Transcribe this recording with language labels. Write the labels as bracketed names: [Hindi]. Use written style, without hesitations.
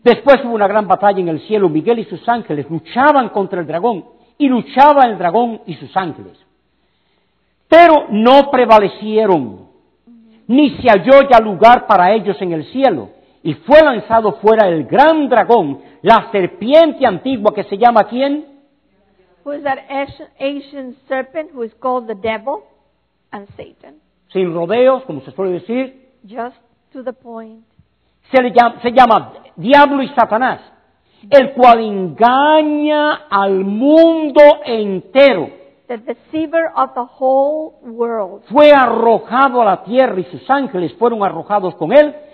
[Spanish] Después hubo una gran batalla en el cielo. Miguel y sus ángeles luchaban contra el dragón, y luchaba el dragón y sus ángeles. Pero no prevalecieron, ni se halló ya lugar para ellos en el cielo. Y fue lanzado fuera el gran dragón, la serpiente antigua que se llama ¿quién? [English] Who is that ancient serpent who is called the devil and Satan? [Spanish] Sin rodeos, como se suele decir. [English] Just to the point. [Spanish] Se llama Diablo y Satanás, el cual engaña al mundo entero. [English] The deceiver of the whole world. [Spanish] Fue arrojado a la tierra y sus ángeles fueron arrojados con él.